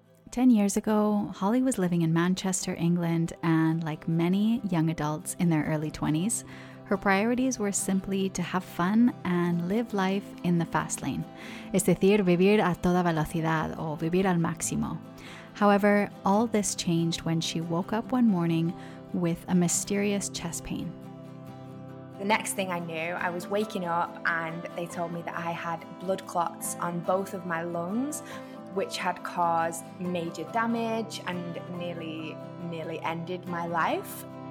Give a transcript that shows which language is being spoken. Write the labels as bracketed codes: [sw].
[en] Ten years ago, Holly was living in Manchester, England, and like many young adults in their early 20s, her priorities were simply to have fun and live life in the fast lane. [es] Es decir, vivir a toda velocidad o vivir al máximo. [en] However, all this changed when she woke up one morning with a mysterious chest pain. The next thing I knew, I was waking up and they told me that I had blood clots on both of my lungs, which had caused major damage and nearly ended my life.